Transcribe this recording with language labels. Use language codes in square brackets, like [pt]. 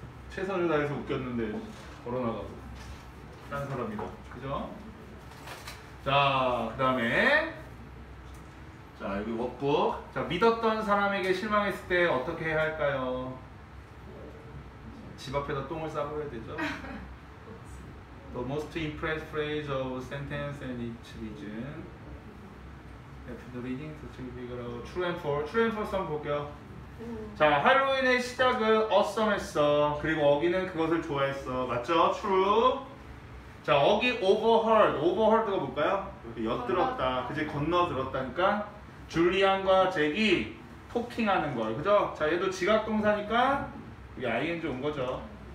[ko] 최선을 다해서 웃겼는데 걸어 나가고 딴 사람이다, 그죠? 자, 그 다음에 자, 여기 워크북 자, 믿었던 사람에게 실망했을 때 어떻게 해야 할까요? 집 앞에다 똥을 싸버려야 되죠? [en] The most impressed phrase of sentence and its reason. After the reading, the two figure out true and false. True and false [ko] 한번 볼게요. 자, 할로윈의 시작은 awesome했어. 그리고 어기는 그것을 좋아했어. 맞죠? True. 자, 어기 overheard. overheard가 뭘까요? 엿들었다. 그제 건너들었다니까. 줄리안과 잭이 토킹하는 걸. 그죠? 자, 얘도 지각동사니까 여기 ing 온 거죠.